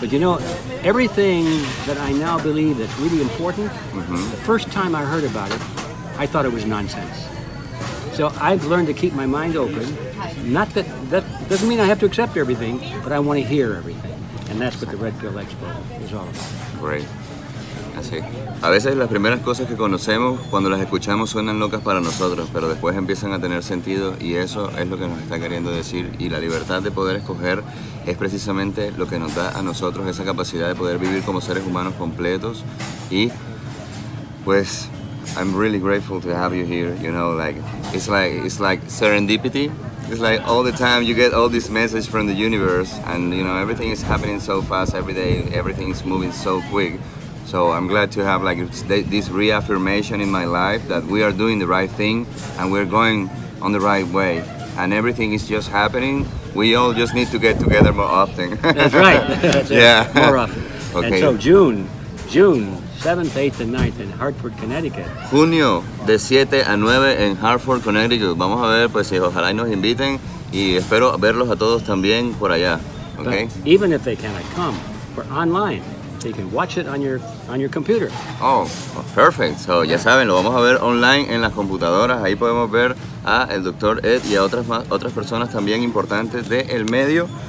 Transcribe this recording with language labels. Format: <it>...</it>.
<en>But you know, everything that I now believe that's really important, the first time I heard about it, I thought it was nonsense. So I've learned to keep my mind open. Not that, that doesn't mean I have to accept everything, but I want to hear everything. And that's what the Red Pill Expo is all about. Great.</en> <es>Así. A veces las primeras cosas que conocemos, cuando las escuchamos, suenan locas para nosotros, pero después empiezan a tener sentido, y eso es lo que nos está queriendo decir. Y la libertad de poder escoger es precisamente lo que nos da a nosotros esa capacidad de poder vivir como seres humanos completos. Y pues,</es> <en>I'm really grateful to have you here, you know, like, it's like serendipity. It's like all the time you get all this message from the universe, and you know, everything is happening so fast every day, everything is moving so quick. So I'm glad to have like this reaffirmation in my life that we are doing the right thing and we're going on the right way. And everything is just happening. We all just need to get together more often. That's right. That's yeah. More often. Okay. And so June 7th, 8th, and 9th in Hartford, Connecticut.</en> <es>Junio de 7 a 9 en Hartford, Connecticut. Vamos a ver, pues, si ojalá nos inviten, y espero verlos a todos también por allá.</es> <en>Okay. But even if they cannot come, we're online. So you can watch it on your computer. Oh, perfect.</en> <es>So ya saben, lo vamos a ver online en las computadoras. Ahí podemos ver a el Dr. Ed y a otras personas también importantes del medio.</es>